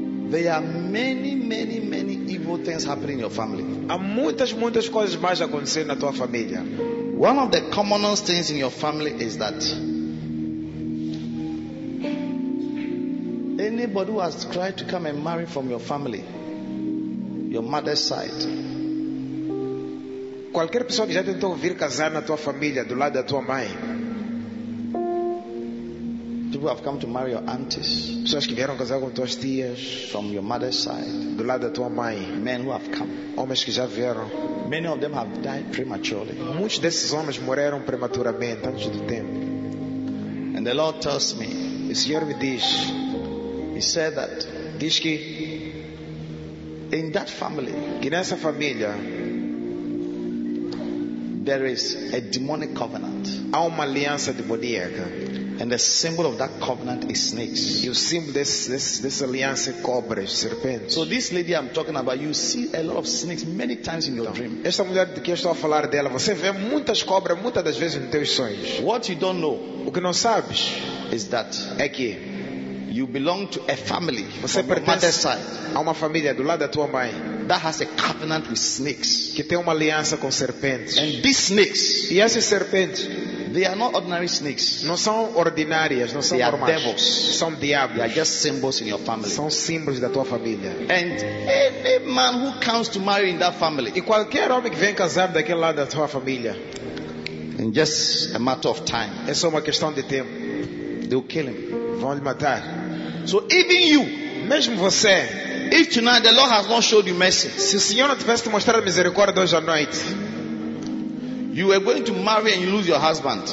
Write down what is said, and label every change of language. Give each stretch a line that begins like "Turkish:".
English: there are many, many, many evil things happening in your family.
Portuguese: Há muitas, muitas coisas mais acontecendo na tua família.
English: One of the commonest things in your family is that anybody who has tried to come and marry from your family, your mother's side.
Portuguese: Qualquer pessoa que já tentou vir casar na tua família do lado da tua mãe.
English: People have come to marry your aunties.
Portuguese: Pessoas que vieram casar com tuas tias.
English: From your mother's side.
Portuguese: Do lado da tua mãe.
English: Men who have come.
Portuguese: Homens que já vieram.
English: Many of them have died prematurely.
Portuguese: Muitos desses homens morreram prematuramente antes do tempo.
English: And the Lord tells me.
Portuguese: O Senhor me diz.
English: He said that.
Portuguese: Diz que.
English: In that family.
Portuguese: Que nessa família.
English: There is a demonic covenant.
Portuguese: Há uma aliança demoníaca.
English: And the symbol of that covenant is snakes. You see this alliance
Portuguese: cobras, serpentes.
English: So this lady I'm talking about, you see a lot of snakes many times in your dream.
Portuguese: Essa mulher de que eu estou a falar dela, você vê muitas cobras muitas das vezes nos teus sonhos.
English: What you don't know,
Portuguese: o que não sabes,
English: is that
Portuguese: é que
English: you belong to a family.
Portuguese: Você pertence a uma família do lado da tua mãe.
English: That has a covenant with snakes.
Portuguese: Que tem uma aliança com serpentes.
English: And these snakes,
Portuguese: e essas serpentes.
English: They are not ordinary snakes.
Portuguese: Não são ordinárias, não são
English: They are devils.
Portuguese: São diabos.
English: They are just symbols in your family.
Portuguese: São símbolos da tua família.
English: And any man who comes to marry in that family,
Portuguese: e qualquer homem que vem casar daquele lado da tua família,
English: in just a matter of time,
Portuguese: é só uma questão de tempo,
English: they will kill him.
Portuguese: Vão lhe matar.
English: So even you,
Portuguese: mesmo você,
English: if tonight the Lord has not showed you mercy,
Portuguese: se o Senhor não tivesse te mostrado misericórdia hoje à noite,
English: you are going to marry and you lose your husband.